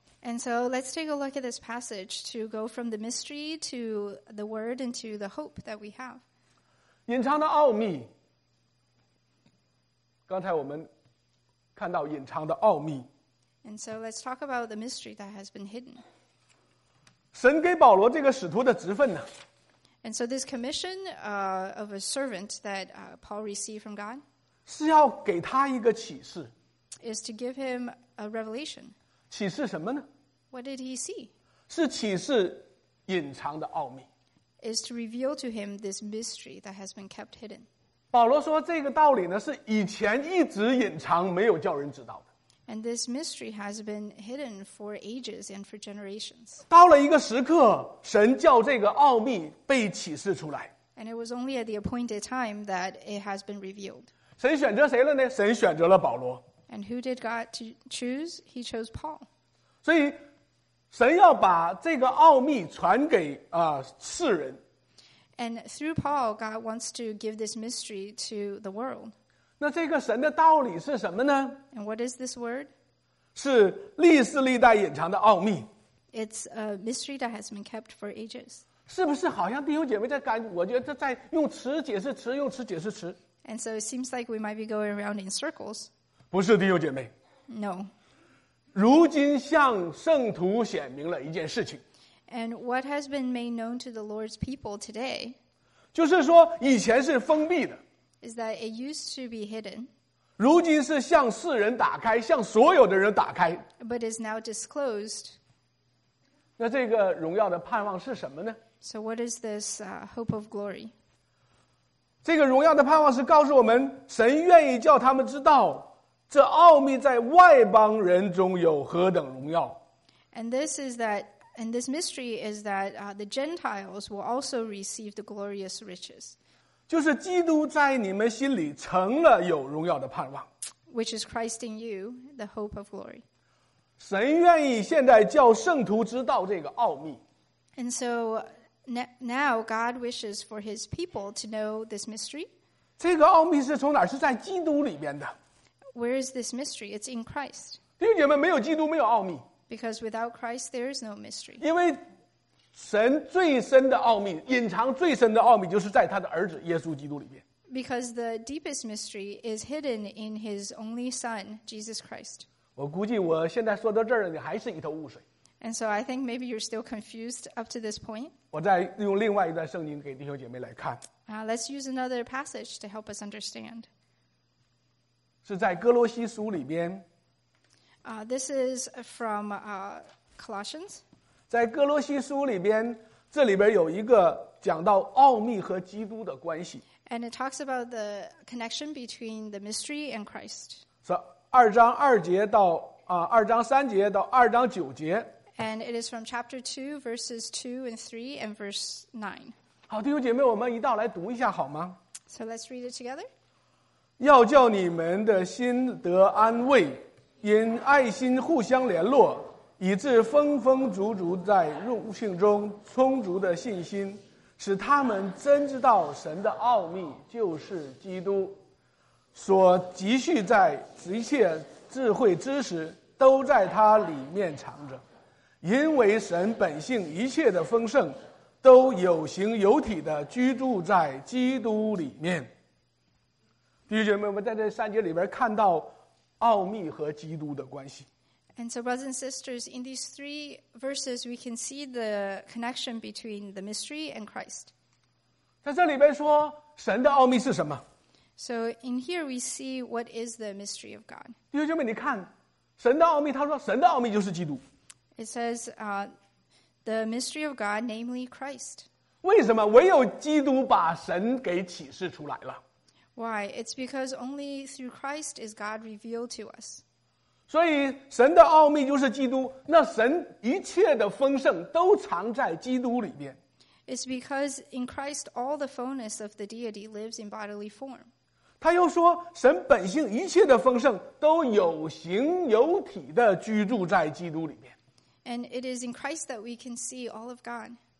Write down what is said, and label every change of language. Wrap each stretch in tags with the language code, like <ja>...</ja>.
<en>And so let's take a look at this passage to go from the mystery to the word and to the hope that we have.</en> <zh>隐藏的奥秘，刚才我们看到隐藏的奥秘。</zh> <en>And so let's talk about the mystery that has been hidden.</en> <zh>神给保罗这个使徒的职分呢</zh> <en>？And so this commission of a servant that Paul received from God</en> <zh>是要给他一个启示。</zh> <en>Is to give him a revelation.</en> <zh>启示什么呢</zh> <en>？What did he see?</en> <zh>是启示隐藏的奥秘。</zh> <en>Is to reveal to him this mystery that has been kept hidden.</en> <zh>保罗说这个道理呢是以前一直隐藏没有叫人知道的。</zh> <en>And this mystery has been hidden for ages and for generations.</en> <zh>到了一个时刻神叫这个奥秘被启示出来。</zh> <en>And it was only at the appointed time that it has been revealed.</en> <zh>神选择谁了呢？神选择了保罗。</zh> <en>And who did God to choose? He chose Paul.</en> <zh>所以神要把这个奥秘传给世人。</zh> <en>And through Paul, God wants to give this mystery to the world.</en> <zh>那这个神的道理是什么呢</zh> <en>？And what is this word?</en> <zh>是历世历代隐藏的奥秘。</zh> <en>It's a mystery that has been kept for ages.</en> <zh>是不是好像弟兄姐妹在干？我觉得在用词解释词，用词解释词。</zh> <en>And so it seems like we might be going around in circles.</en> <zh>不是弟兄姐妹。</zh> <en>No.</en> <zh>如今向圣徒显明了一件事情。</zh> <en>And what has been made known to the Lord's people today?</en> <zh>就是说以前是封闭的。</zh> <en>Is that it used to be hidden?</en> <zh>如今是向世人打开，向所有的人打开。</zh> <en>But is now disclosed.</en> <zh>那这个荣耀的盼望是什么呢</zh> <en>?So what is this hope of glory?</en> <zh>这个荣耀的盼望是告诉我们，神愿意叫他们知道这奥秘在外邦人中有何等荣耀。</zh> <en>And this is that, and this mystery is that the Gentiles will also receive the glorious riches.</en> <zh>就是基督在你们心里成了有荣耀的盼望。</zh> <en>Which is Christ in you, the hope of glory.</en> <zh>神愿意现在叫圣徒知道这个奥秘。</zh> <en>And so now God wishes for his people to know this mystery.</en> <zh>这个奥秘是从哪儿？是在基督里边的。</zh> <en>Where is this mystery? It's in Christ.</en> <zh>弟兄姐妹，没有基督，没有奥秘。</zh> <en>Because without Christ, there is no mystery.</en> <zh>因为神最深的奥秘，隐藏最深的奥秘，就是在他的儿子耶稣基督里边。</zh> <en>Because the deepest mystery is hidden in his only son, Jesus Christ.</en> <zh>我估计我现在说到这儿，你还是一头雾水。</zh> <en>And so I think maybe you're still confused up to this point.</en> <zh>我再用另外一段圣经给弟兄姐妹来看。</zh> <en>Let's use another passage to help us understand.</en> <zh>是在哥罗西书里边。</zh> <en>This is from Colossians.</en> <zh>在哥罗西书里边，这里边有一个讲到奥秘和基督的关系。</zh> <en>And it talks about the connection between the mystery and Christ.</en> <zh>是二章二节到二章三节到二章九节。</zh> <en>And it is from chapter 2, verses 2 and 3 and verse 9.</en> <zh>好，弟兄姐妹，我们一道来读一下好吗？</zh> <en>So let's read it together.</en> <zh>要叫你们的心得安慰，因爱心互相联络，以致丰丰足足在荣幸中充足的信心，使他们真知道神的奥秘就是基督，所积蓄在一切智慧知识都在他里面藏着。因为神本性一切的丰盛都有形有体的居住在基督里面。弟兄姐妹，我们在这三节里边看到奥秘和基督的关系。</zh> <en>And so brothers and sisters, in these three verses, we can see the connection between the mystery and Christ.</en> <zh>在这里边说神的奥秘是什么？</zh> <en>So in here we see what is the mystery of God.</en> <zh>弟兄姐妹，你看神的奥秘，他说神的奥秘就是基督。</zh> <en>It says, the mystery of God, namely Christ.</en> <zh>为什么？唯有基督把神给启示出来了。</zh> <en>Why? It's because only through Christ is God revealed to us.</en> <zh>所以神的奥秘就是基督，那神一切的丰盛都藏在基督里面。</zh> <en>It's because in Christ all the fullness of the deity lives in bodily form.</en> <zh>他又说神本性一切的丰盛都有形有体的居住在基督里面。</zh> <en>And it is in Christ that we can see all of God.</en>